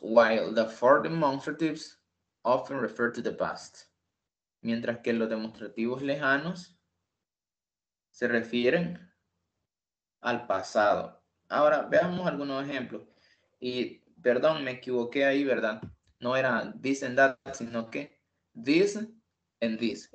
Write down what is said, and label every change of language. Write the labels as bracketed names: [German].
[English] While the four demonstratives often refer to the past. [Spanish] Mientras que los demostrativos lejanos se refieren al pasado. Ahora, veamos algunos ejemplos. Y, perdón, me equivoqué ahí, ¿verdad? No era this and that, sino que this and this.